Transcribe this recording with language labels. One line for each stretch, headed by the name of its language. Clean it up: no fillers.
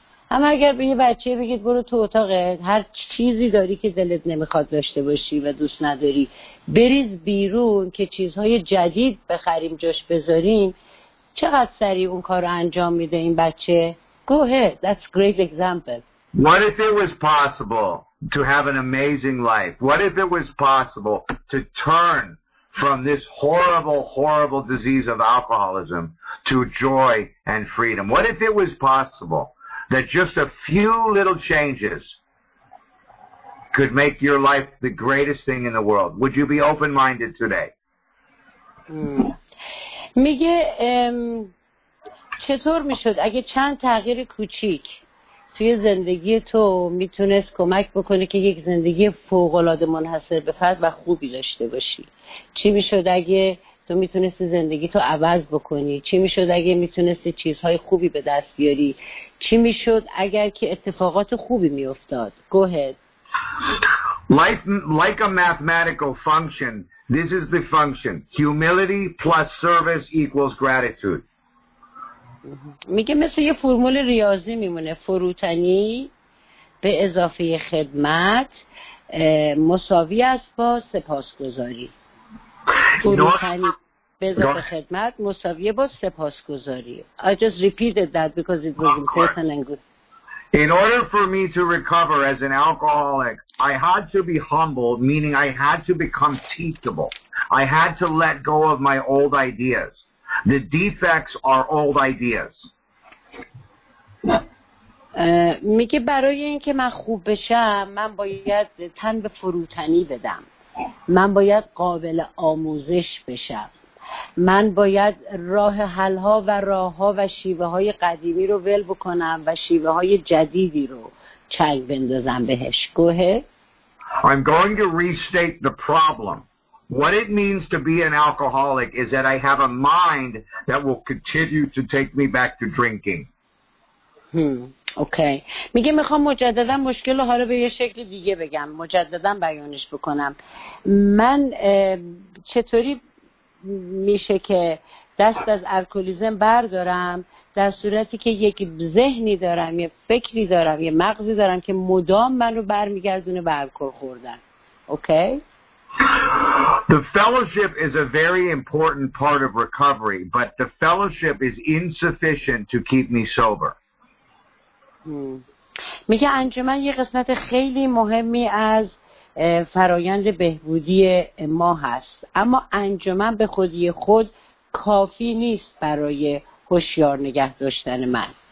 Persian: اما اگر به یک بچه بگید برو تو اتاقت، هر چیزی داری که دلت نمیخواد داشته باشی و دوست نداری بریز بیرون که چیزهای جدید بخریم جاش بذاریم، چقدر سریع اون کار رو انجام میده این بچه.
English: Go ahead, that's a great example. What if it was possible to have an amazing life? What if it was possible to turn from this horrible, horrible disease of alcoholism to joy and freedom? What if it was possible that just a few little changes could make your life the greatest thing in the world? Would you be open-minded today?
Persian: میگه چطور میشد اگه چند تغییر کوچیک توی زندگی تو میتونست کمک بکنه که یک زندگی فوق‌العاده منحصر به فرد و خوبی داشته باشی؟ چی میشد اگه تو میتونستی زندگی تو عوض بکنی؟ چی میشد اگه میتونستی چیزهای خوبی به دست بیاری؟ چی میشد اگر که اتفاقات خوبی میافتاد؟
English: Go ahead. Like a mathematical function, this is the function. Humility plus service equals gratitude.
Persian: میگه مثل یه فرمول ریاضی میمونه، فروتنی به اضافه خدمت مساوی است با سپاسگزاری. فروتنی به اضافه خدمت مساوی با سپاسگزاری.
English: I just repeated that because it was important and good. In order for me to recover as an alcoholic, I had to be humble, meaning I had to become teachable. I had to let go of my old ideas. The defects are old ideas.
Persian: میگه برای اینکه من خوب بشم من باید تن به فروتنی بدم. من باید قابل آموزش بشم. من باید راه حل‌ها و راه‌ها و شیوه‌های قدیمی رو ول بکنم و شیوه‌های جدیدی رو چنگ بندازم بهش. گوه.
English: I'm going to restate the problem. What it means to be an alcoholic is that I have a mind that will continue to take me back to drinking. Okay.
Persian: میگه میخوام مجددا مشکل رو حالا به یه شکل دیگه بگم، مجددا بیانش بکنم. من چطوری میشه که دست از الکلیزم بردارم در صورتی که یک ذهنی دارم، یه فکری دارم، یه مغزی دارم که مدام من رو برمیگردونه به الکل خوردن.
English: Okay. The fellowship is a very important part of recovery, but the fellowship is insufficient to keep me sober.
Persian: میگه انجمن یه قسمت خیلی مهمی از فرایند بهبودی ما هست، اما انجمن به خودی خود کافی نیست برای هوشیار نگه داشتن من.